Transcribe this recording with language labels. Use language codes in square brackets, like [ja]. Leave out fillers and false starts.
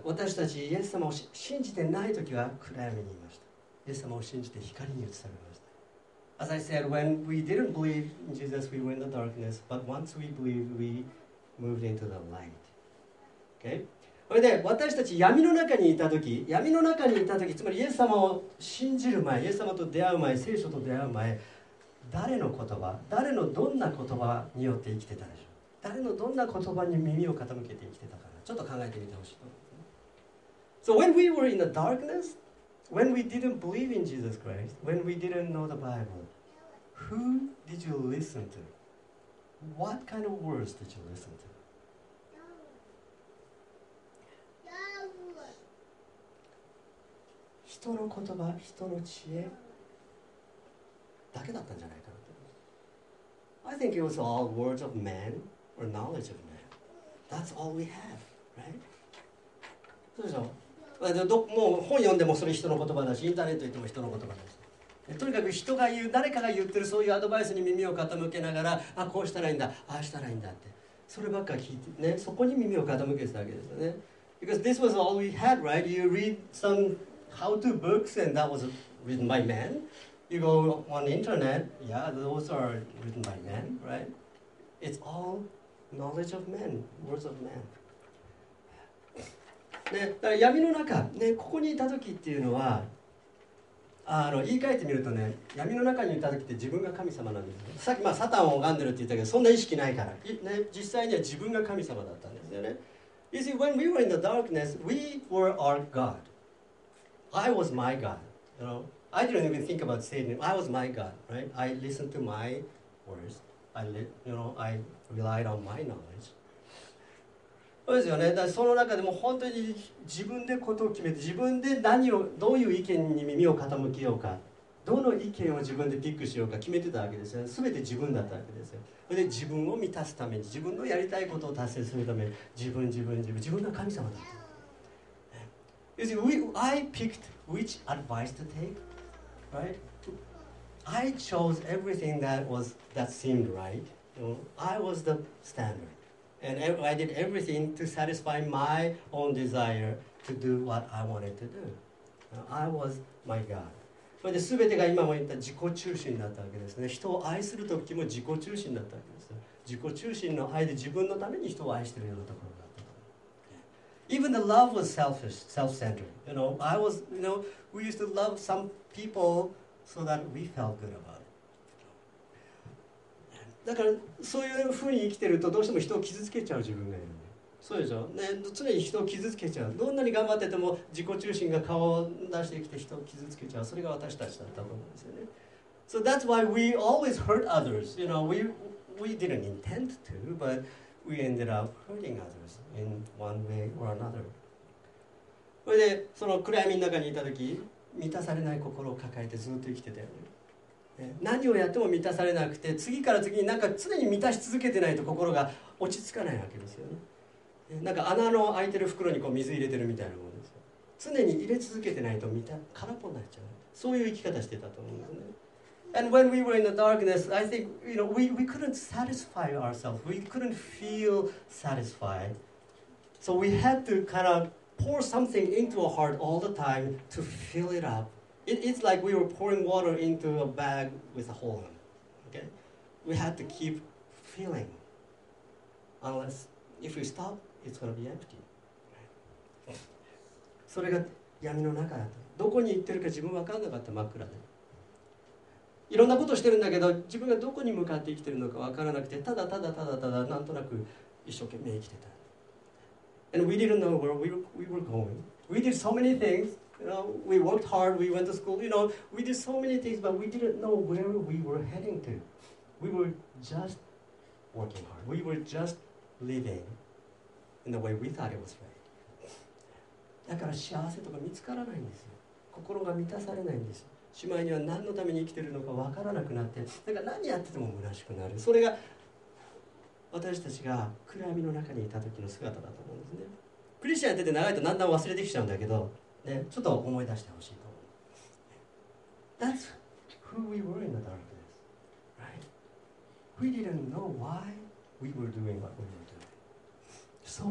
[ja] 私たちイエス様を信じてないときは暗闇にいました。イエス様を信じて光に移されました。 [en] As I said, when we didn't believe in Jesus, we were in the darkness. But once we believed, we moved into the light. Okay? [ja] それで私たち闇の中にいたとき、闇の中にいたとき、つまりイエス様を信じる前、イエス様と出会う前、聖書と出会う前、誰の言葉、誰のどんな言葉によって生きてたでしょう。誰のどんな言葉に耳を傾けて生きてたか。ちょっと考えてみてほしいと思います。 [en] So when we were in the darkness, when we didn't believe in Jesus Christ, when we didn't know the Bible, who did you listen to? What kind of words did you listen to? No. No. [ja] 人の言葉、人の知恵だけだったんじゃないかなと思います。 [en] I think it was all words of man or knowledge of man. That's all we have. Right? [ja] そうでしょ。もう本読んでもそれ人の言葉だし、インターネット行っても人の言葉だし、とにかく人が言う、誰かが言ってるそういうアドバイスに耳を傾けながら、あ、こうしたらいいんだ、ああしたらいいんだって、そればっか聞いてね、そこに耳を傾けてたわけですよね。 [en] Because this was all we had, right? You read some how-to books and that was written by men. You go on the internet, yeah, those are written by men, right? It's all knowledge of men, [ja] words of menね、だから闇の中、ね、ここにいた時っていうのは、言い換えてみるとね、闇の中にいた時って自分が神様なんですね。さっき、サタンを拝んでるって言ったけど、そんな意識ないから、ね、実際には自分が神様だったんですよね。 [en] You see, when we were in the darkness, we were our God. I was my God. You know? I didn't even think about Satan. I was my God, right? I listened to my words. I relied on my knowledge. [ja] そうですよね。だからその中でも本当に自分でことを決めて、自分で何を、どういう意見に耳を傾けようか、どの意見を自分でピックしようか決めてたわけですよ。全て自分だったわけですよ。で、自分を満たすために、自分のやりたいことを達成するために、自分が神様だった。 [en] You see, I picked which advice to take, right? I chose everything that seemed right. I was the standard. And I did everything to satisfy my own desire to do what I wanted to do. I was my God. [ja] それで全てが今も言った自己中心だったわけですね。人を愛する時も自己中心だったわけです。自己中心の愛で自分のために人を愛しているようなところだった。 [en] Even the love was selfish, self-centered. You know, I was, you know, we used to love some people so that we felt good about it. [ja] だからそういうふうに生きてると、どうしても人を傷つけちゃう自分がいる。そうでしょ、ね、常に人を傷つけちゃう。どんなに頑張ってても自己中心が顔を出してきて人を傷つけちゃう。それが私たちだったと思うんですよね。 [en] So that's why we always hurt others. You know, we didn't intend to, but we ended up hurting others in one way or another. [ja] それでその暗闇の中にいた時、満たされない心を抱えてずっと生きてたよね。何をやっても満たされなくて、次から次になんか常に満たし続けてないと心が落ち着かないわけですよね。なんか穴の開いてる袋にこう水入れてるみたいなものですよ。常に入れ続けてないと空っぽになっちゃう。そういう生き方してたと思うんですね。 [en] And when we were in the darkness, I think, you know, we couldn't satisfy ourselves. We couldn't feel satisfied. So we had to kind of pour something into our heart all the time to fill it up. It's like we were pouring water into a bag with a hole in it. Okay? We had to keep filling. Unless, if we stop, it's going to be empty. [ja] それが闇の中だった。どこに行ってるか自分分かんなかった、真っ暗で。いろんなことをしてるんだけど、自分がどこに向かって生きてるのか分からなくて、ただただただただなんとなく一生懸命生きてた。 [en] And we didn't know where we were going. We did so many things. You know, we worked hard. We went to school. You know, we did so many things, but we didn't know where we were heading to. We were just working hard. We were just living in the way we thought it was right. [ja] だから幸せとか見つからないんですよ。心が満たされないんですよ。しまいには何のために生きてるのか分からなくなって、だから何やってても虚しくなる。それが私たちが暗闇の中にいた時の姿だと思うんですね。クリスチャンやってて長いとだんだん忘れてきちゃうんだけど、ね、ちょっと思い出してほしいと思う。 [en] That's who we were in the darkness, right? We didn't know why we were doing what we were doing.